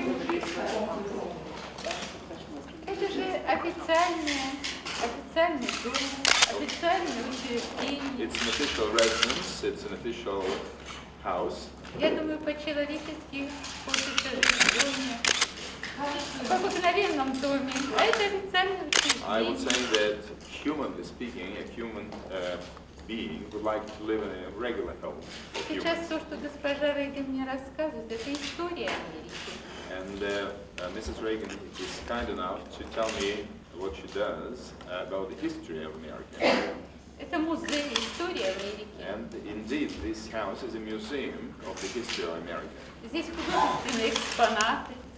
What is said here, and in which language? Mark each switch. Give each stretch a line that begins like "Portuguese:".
Russian: Это же официальный дом, официальное учреждение.
English: It's an official residence, it's an official house.
Russian: Я думаю, по-человечески хочется жить в доме, в обыкновенном доме. А это официальное учреждение.
English: I would say that, humanly speaking, a human being would like to live in a regular home.
Russian: Сейчас то, что госпожа Рейган мне рассказывает, это история Америки.
English: And Mrs. Reagan is kind enough to tell me what she does about the history of America.
Russian: Это музей истории Америки.
English: And indeed, this house is a museum of the history of America.
Russian: Здесь художественные экспонаты.